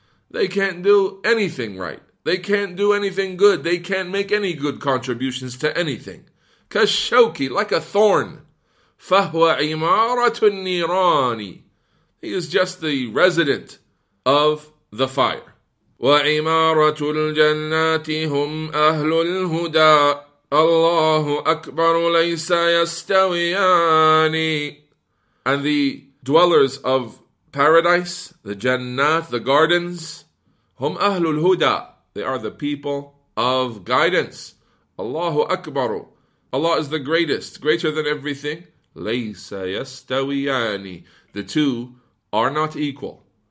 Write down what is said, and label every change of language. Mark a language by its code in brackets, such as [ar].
[en] They can't do anything right. They can't do anything good. They can't make any good contributions to anything. كشوكي, like a thorn. [ar] فهو عمارة النيران. [en] He is just the resident of the fire. [ar] وعمارة الجنة هم أهل الهدى. الله أكبر ليس يستويان. [en] And the dwellers of paradise, the Jannat, the gardens, hum ahlul huda, they are the people of guidance. Allahu akbaru, Allah is the greatest, greater than everything. Laysa yastawiyani, the two are not equal.